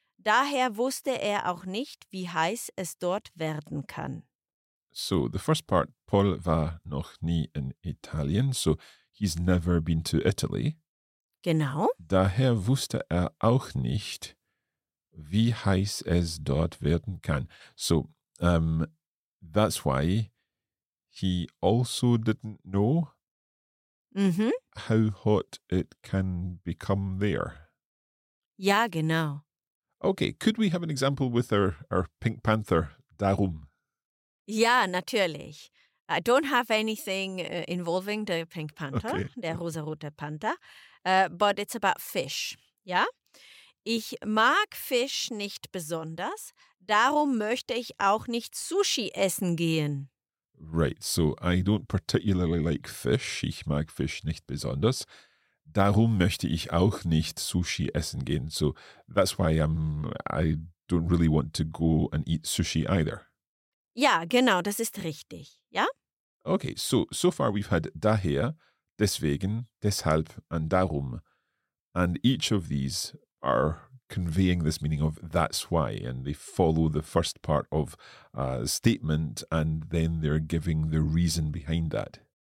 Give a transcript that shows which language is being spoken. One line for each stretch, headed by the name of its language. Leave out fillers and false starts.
German: Daher wusste er auch nicht, wie heiß es dort werden kann.
English: So, the first part,
German: Paul war noch nie in Italien,
English: so he's never been to Italy.
German: Genau. Daher wusste auch nicht, wie heiß es dort werden kann.
English: So, that's why he also didn't know how hot it can become there.
German: Ja, genau.
English: Okay, could we have an example with our Pink Panther, darum?
German: Ja, natürlich.
English: I don't have anything involving the Pink Panther, okay.
German: Der rosa-rote Panther,
English: but it's about fish.
German: Ja? Ich mag Fisch nicht besonders, darum möchte ich auch nicht Sushi essen gehen.
English: Right, so I don't particularly like fish.
German: Ich mag Fisch nicht besonders. Darum möchte ich auch nicht Sushi essen gehen.
English: So that's why I don't really want to go and eat sushi either.
German: Ja, genau, das ist richtig, ja?
English: Okay, so far we've had daher, deswegen, deshalb and darum. And each of these are conveying this meaning of that's why, and they follow the first part of a statement and then they're giving the reason behind that.